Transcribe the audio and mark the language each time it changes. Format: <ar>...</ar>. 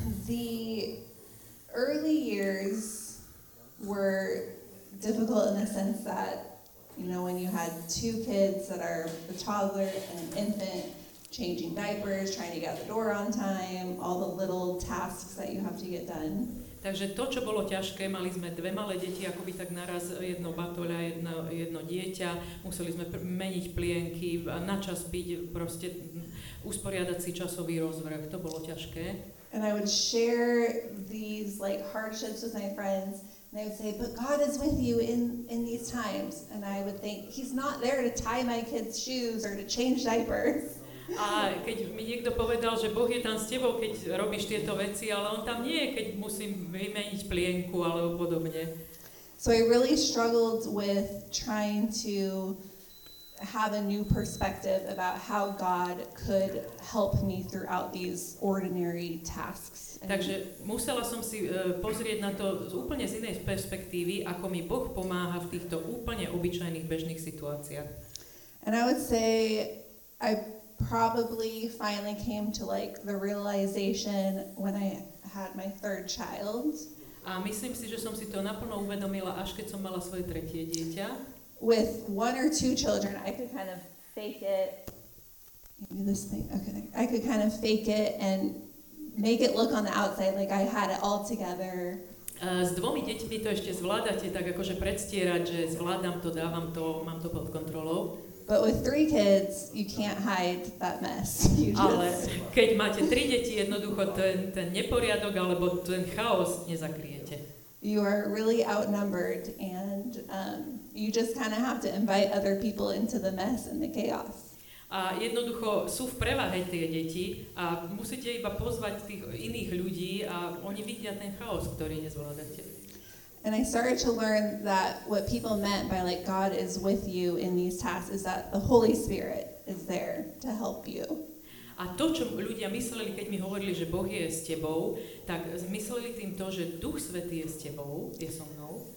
<en>The early years were difficult in the sense that, you know, when you had two kids that are a toddler and an infant, changing diapers, trying to get out the door on time, all the little tasks that you have to get done.</en> <sk>Takže to, čo bolo ťažké, mali sme dve malé deti, akoby tak naraz jedno batoľa, jedno dieťa, museli sme meniť plienky, na čas byť, proste usporiadať si časový rozvrh, to bolo ťažké.</sk> <en>And I would share these like hardships with my friends, and I would say, but God is with you in these times. And I would think, he's not there to tie my kids' shoes or to change diapers.</en> <sk>A keď mi niekto povedal, že Boh je tam s tebou, keď robíš tieto veci, ale on tam nie je, keď musím vymeniť plienku alebo podobne.</sk> <en>So I really struggled with trying to have a new perspective about how God could help me throughout these ordinary tasks.</en> <sk>Takže musela som si pozrieť na to z úplne z inej perspektívy, ako mi Boh pomáha v týchto úplne obyčajných bežných situáciách.</sk> <en>And I would say I probably finally came to like the realization when I had my third child.</en> <sk>A myslím si, že som si to naplno uvedomila až keď som mala svoje tretie dieťa.</sk> <en>With one or two children, I could kind of fake it. Maybe this thing. Okay. I could kind of fake it and make it look on the outside like I had it all together.</en> <sk>S dvomi deťmi to ešte zvládate tak akože predstierať, že zvládam to, dávam to, mám to pod kontrolou.</sk> <en>But with three kids, you can't hide that mess.</en> <sk>Ale keď máte tri deti, jednoducho ten neporiadok alebo ten chaos nezakriete.</sk> <en>You are really outnumbered and you just kind of have to invite other people into the mess and the chaos.</en> <sk>A jednoducho sú v prevahe tie deti a musíte iba pozvať tých iných ľudí a oni vidia ten chaos, ktorý nezvládate.</sk> <en>And I started to learn that what people meant by like God is with you in these tasks is that the Holy Spirit is there to help you.</en> <sk>A to, čo ľudia mysleli, keď mi hovorili, že Boh je s tebou, tak mysleli tým to, že Duch Svätý je s tebou, je so mnou.</sk>